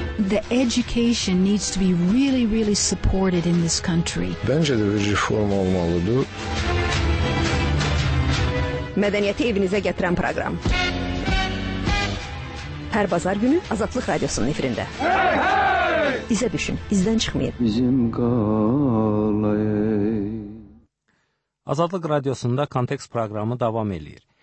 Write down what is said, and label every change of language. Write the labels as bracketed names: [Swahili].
[English] The education needs to be really really supported in this country. [Turkish] Bence de bir reform olmalıdır. [Azerbaijani] Medeniyeti evinizə gətirən proqram. Hər bazar günü Azadlıq Radiosunun efirində. İzə düşün, izdən çıxmayın. Bizim qalay. Azadlıq Radiosunda kontekst proqramı davam edir.